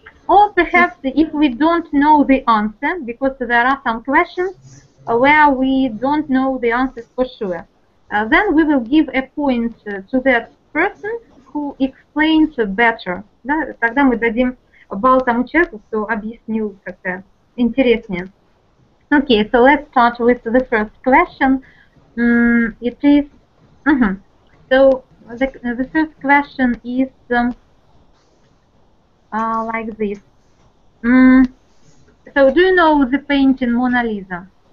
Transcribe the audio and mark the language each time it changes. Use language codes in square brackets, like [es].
[en] Or perhaps if we don't know the answer, because there are some questions where we don't know the answers for sure, then we will give a point to that person who explains better. [ru] Да, тогда мы дадим балл тому человеку, кто объяснил как-то интереснее. [en] Okay, so let's start with the first question. It is... So the first question is like this. So do you know the painting Mona Lisa?